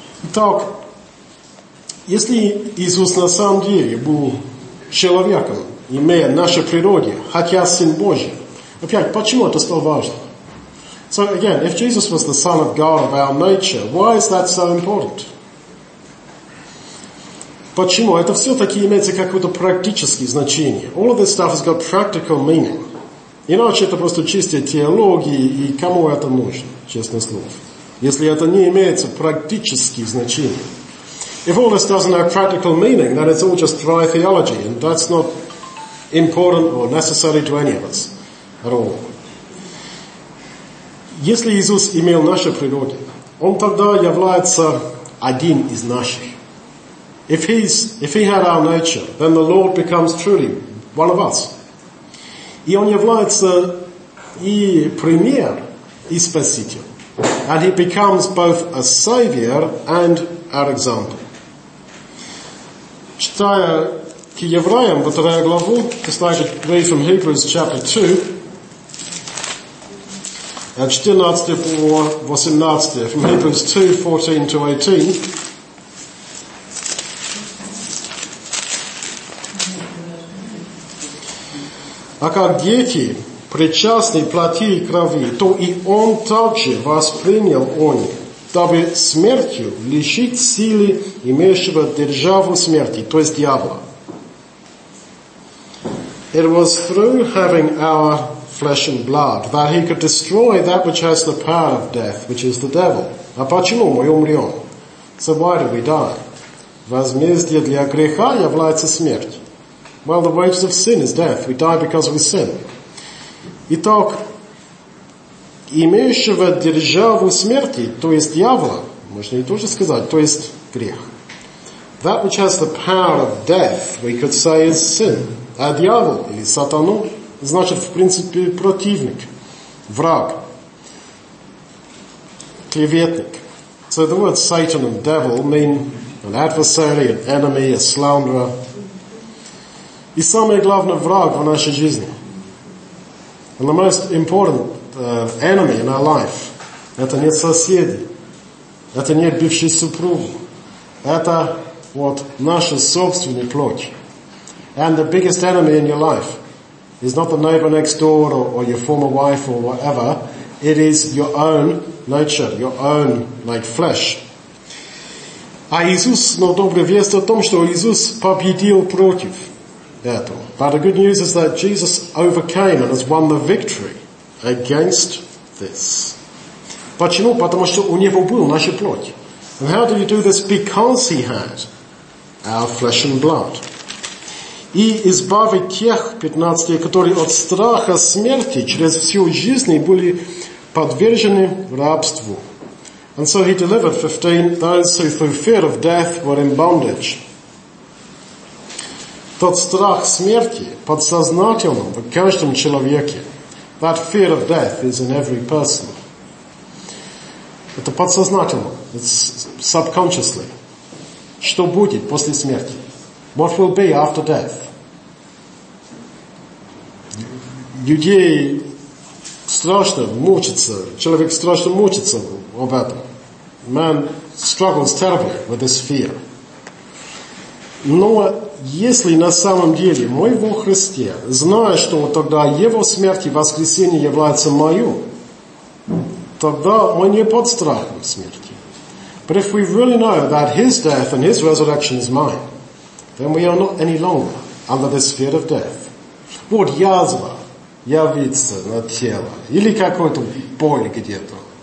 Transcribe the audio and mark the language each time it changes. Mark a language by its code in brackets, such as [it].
[ru] Итак, если Иисус на самом деле был человеком, имея наше природе, хотя Сын Божий, опять, почему это столь важно? [en] So again, if Jesus was the Son of God of our nature, why is that so important? [ru] Почему? Это все-таки имеется какое-то практическое значение. [en] All of this stuff has got practical meaning. [ru] Иначе это просто чистая теология, и кому это нужно, честное слово? Если это не имеется практических значений. [en] If all this doesn't have practical meaning, then it's all just dry theology, and that's not important or necessary to any of us at all. [ru] Если Иисус имел нашу природу, он тогда является один из наших. [en] If he had our nature, then the Lord becomes truly one of us. [ru] И он является и премьер, и спаситель. [en] And he becomes both a savior and our example. [ru] Читая к евреям во вторую главу, [en] just like it read from Hebrews chapter 2, [ru] 14 по 18, [en] from Hebrews 2, 14 to 18, [ru] а как дети причастны плоти и крови, то и он также воспринял они, дабы смертью лишить силы имеющего державу смерти, то есть дьявола. [en] It was through having our flesh and blood that he could destroy that which has the power of death, which is the devil. [ru] А почему мы умрем? [en] So why do we die? [ru] Возмездие для греха является смерть. [en] Well, the wages of sin is death. We die because we sin. [ru] Итак, имеющего державу смерти, то есть дьявола, можно и тоже сказать, то есть грех. [en] That which has the power of death, we could say, is sin. [ru] А дьявол, или сатану, значит, в принципе, противник, враг, клеветник. [en] So the words Satan and devil mean an adversary, an enemy, a slanderer. [ru] И самый главный враг в нашей жизни. [en] And the most important enemy in our life. [ru] Это не соседи. Это не бывший супруг. Это вот наша собственная плоть. [en] And the biggest enemy in your life is not the neighbor next door or your former wife or whatever. It is your own nature, your own, like, flesh. [ru] А Иисус, но добрый весть о том, что Иисус победил против. [en] But the good news is that Jesus overcame and has won the victory against this. [ru] Почему? Потому что у него был наша плоть. [en] And how did he do this? Because he had our flesh and blood. [ru] И избавить тех, 15, которые от страха смерти через всю жизнь были подвержены рабству. [en] And so he delivered, 15, those who through fear of death were in bondage. [ru] Тот страх смерти подсознательно в каждом человеке. [en] That fear of death is in every person. [ru] Это подсознательно. [en] It's subconsciously. [ru] Что будет после смерти? [en] What will be after death? [ru] Людей страшно мучиться. Человек страшно мучиться об этом. [en] Man struggles terribly with this fear. [ru] Но если на самом деле мой во Христе, зная, что тогда Его смерть и воскресение является мою, тогда мы не под страхом смерти. [en] But if we really know that His death and His resurrection is mine, then we are not any longer under this fear of death. [ru] Вот язва явится на тело или какой-то боль где-то.